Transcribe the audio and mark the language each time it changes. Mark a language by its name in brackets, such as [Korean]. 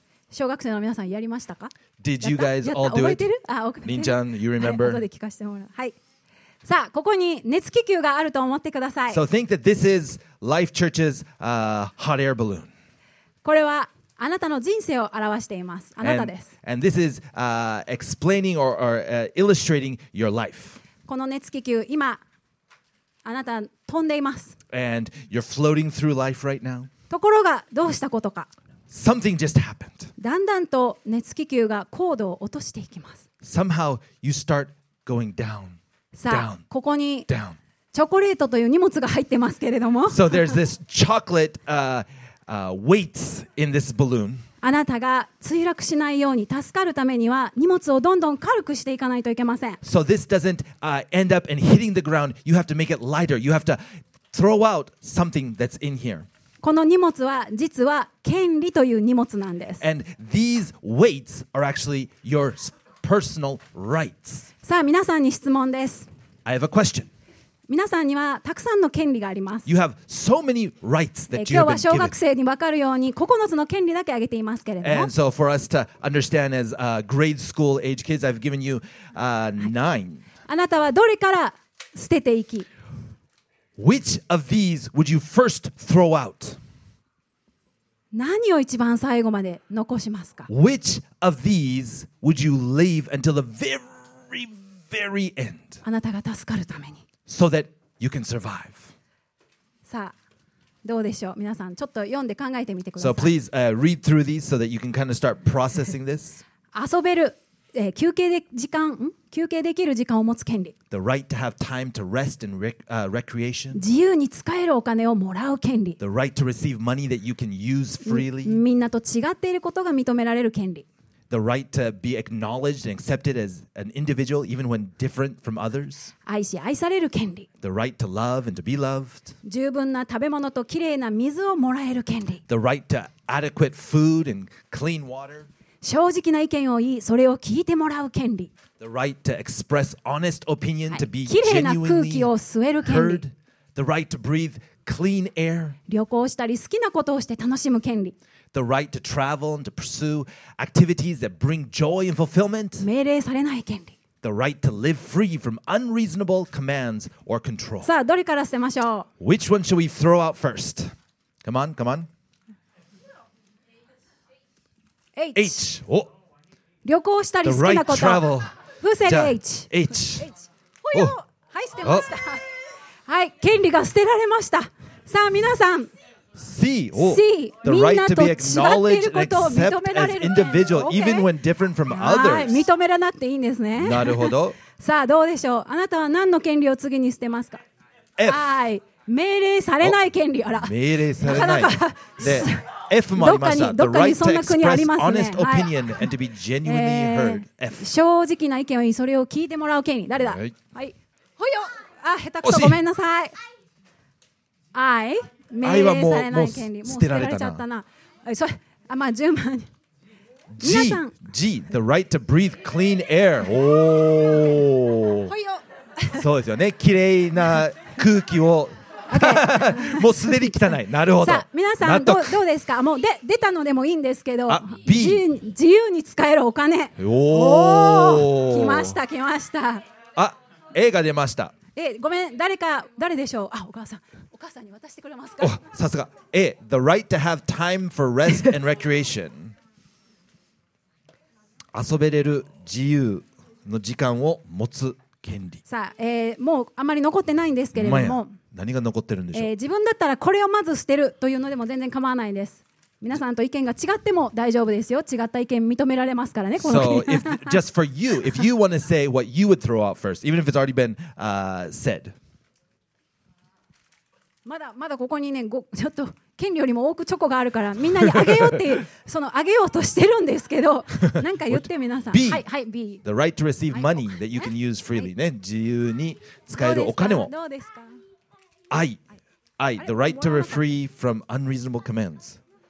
[Japanese] 小学生の皆さんやりましたか？ [English] Did you guys all do it? Ninjan, you remember? [Japanese] はい、後で聞かせてもらう。はい。さあここに熱気球があると思ってください。 [English] So think that this is Life Church's hot air balloon. [Japanese] これはあなたの人生を表しています。あなたです。 [English] And this is explaining or illustrating your life. [Japanese] この熱気球今あなた飛んでいます。 [English] And you're floating through life right now. [Japanese] ところがどうしたことか。 [English] Something just happened. [Japanese] だんだんと熱気球が高度を落としていきます。 [English] Somehow you start going down. [Japanese] さあここにチョコレートという荷物が入ってますけれども。 [English] So there's this chocolate weights in this balloon. [Japanese] あなたが墜落しないように助かるためには荷物をどんどん軽くしていかないといけません。 [English] So this doesn't end up and hitting the ground. You have to make it lighter. You have to throw out something that's in here. [Japanese] この荷物は実は権利という荷物なんです。 [English] And these weights are actually your spiritual. Personal rights. [Japanese] さあ皆さんに質問です。 [English] I have a question. [Japanese] 皆さんにはたくさんの権利があります。 [English] You have so many rights that you have been given. [Japanese] 今日は小学生に分かるように9つの権利だけ挙げていますけれども。 [English] And so for us to understand as grade school age kids, I've given you nine. [Japanese] あなたはどれから捨てていき? [English] Which of these would you first throw out? [Japanese] 何を一番最後まで残しますか? [English] Which of these would you leave until the very, very end? [Japanese] あなたが助かるために。 [English] So that you can survive. [Japanese] さあ、どうでしょう?皆さん、ちょっと読んで考えてみてください。 [English] So please, read through these so that you can kind of start processing this. [Japanese] 遊べる、休憩で時間、休憩できる時間を持つ権利。 [English] The right to have time to rest and recreation. [Japanese] 自由に使えるお金をもらう権利。 [English] The right to receive money that you can use freely. [Japanese] みんなと違っていることが認められる権利。 [English] The right to be acknowledged and accepted as an individual even when different from others. [Japanese] 愛し愛される権利。 [English] The right to love and to be loved. [Japanese] 十分な食べ物ときれいな水をもらえる権利。 [English] The right to adequate food and clean water. [Japanese] 正直な意見を言い、それを聞いてもらう権利。 [English] The right to express honest opinion to be genuinely heard. [Japanese] きれいな空気を吸える権利。 [English] The right to breathe clean air. [Japanese] 旅行したり好きなことをして楽しむ権利。 [English] The right to travel and to pursue activities that bring joy and fulfillment. [Japanese] 命令されない権利。 [English] The right to live free from unreasonable commands or control. [Japanese] さあ、どれから捨てましょう? [English] Which one should we throw out first? Come on, come on. H. [Japanese] 旅行したり好きなこと。 [English] The right travel. [Japanese] 伏せる H. [English] H. [Japanese] ほよ。はい、捨てました。はい、権利が捨てられました。さあ、皆さん。 [English] C. C. The right to be acknowledged and accepted as individual, even when different from others. [Japanese] はい、認めらなくていいんですね。なるほど。さあ、どうでしょう。あなたは何の権利を次に捨てますか。 [English] F. [Japanese] はい、命令されない権利。あら。命令されない。なかなか。で。F もありました。どっかにそんな国ありますね。 [English] Honest opinion and to be genuinely heard. F. [Japanese] 正直な意見を言い、それを聞いてもらう権利。誰だ？はい。ほよ。あ、下手くそ。ごめんなさい。 I。 命令されない権利。もう捨てられちゃったな。それ、あ、まあ順番に。 [English] G。 G。 The right to breathe clean air. おお。 [Japanese] ほよ。そうですよね。綺麗な空気を。もうすでに汚い。なるほど。さあ皆さん どうですか。もう出たのでもいいんですけど、あ、 B、自由に使えるお金。おお、来ました、来ました。あ、 A が出ました。 A、 ごめん、誰か、誰でしょう。あ、お母さん、お母さんに渡してくれますか。お、さすが。 [English] A、 The right to have time for rest and recreation. [Japanese] 遊べれる自由の時間を持つ権利。さあ、もうあまり残ってないんですけれども。何が残ってるんでしょう、自分だったらこれをまず捨てるというのでも全然構わないです。皆さんと意見が違っても大丈夫ですよ。違った意見認められますからね。 [English] So if just for you, if you want to say what you would throw out first, even if it's already been said. [Japanese] まだここにね、ちょっと権利よりも多くチョコがあるからみんなにあげようってそのあげようとしてるんですけど、なんか言って皆さん。 B. はいはい B. [English] The right to receive money that you can use freely. [Japanese] ね、自由に使えるお金を。どうですか。 [English] I. The right to be free from unreasonable commands.